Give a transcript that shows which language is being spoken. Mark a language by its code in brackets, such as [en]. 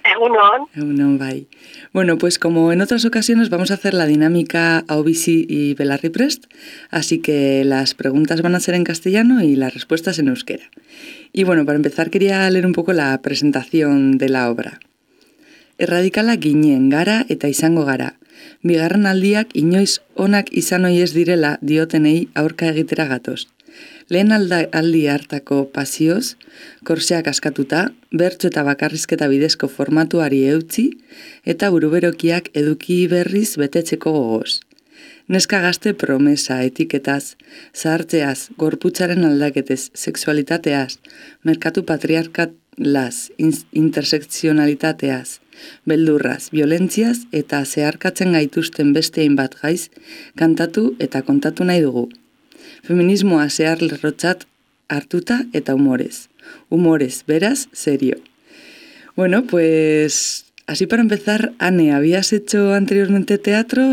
[eu] Egunon. Egunon, bai. [es] Bueno, pues como en otras ocasiones, vamos a hacer la dinámica Aubisi y Belarri Prest, así que las preguntas van a ser en castellano y las respuestas en euskera. Y bueno, para empezar quería leer un poco la presentación de la obra. [eu] Erradikala ginen gara eta izango gara. Bigarren aldiak inoiz onak izan ohi ez direla diotenei aurka egitera gatoz. Lehen aldi hartako pasioz, korseak askatuta, bertso eta bakarrizketa bidezko formatuari eutzi, eta buruberokiak eduki berriz betetzeko gogoz. Neska gazte promesa, etiketaz, zahartzeaz, gorputzaren aldaketez, sexualitateaz, merkatu patriarkalaz, intersekzionalitateaz, beldurraz, violentziaz eta zeharkatzen gaituzten beste hainbat gaiz kantatu eta kontatu nahi dugu. Feminismoa zehar lerrotzat hartuta eta humorez. Humorez, beraz, serio. [es] Bueno, pues así para empezar, Ane, ¿habías hecho anteriormente teatro?